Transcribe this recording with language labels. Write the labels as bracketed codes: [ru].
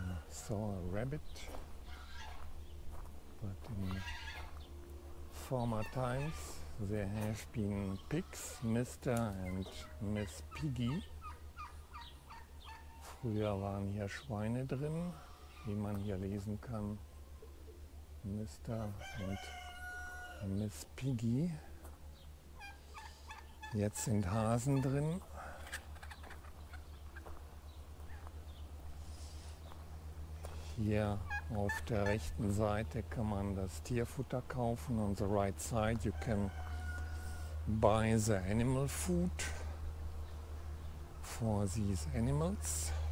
[en] Saw a rabbit, but in former times there have been pigs, Mr. and Miss Piggy. [de] Früher waren hier Schweine drin, wie man hier lesen kann. Mr. und Miss Piggy. Jetzt sind Hasen drin. Hier auf der rechten Seite kann man das Tierfutter kaufen. [en] On the right side you can buy the animal food for these animals.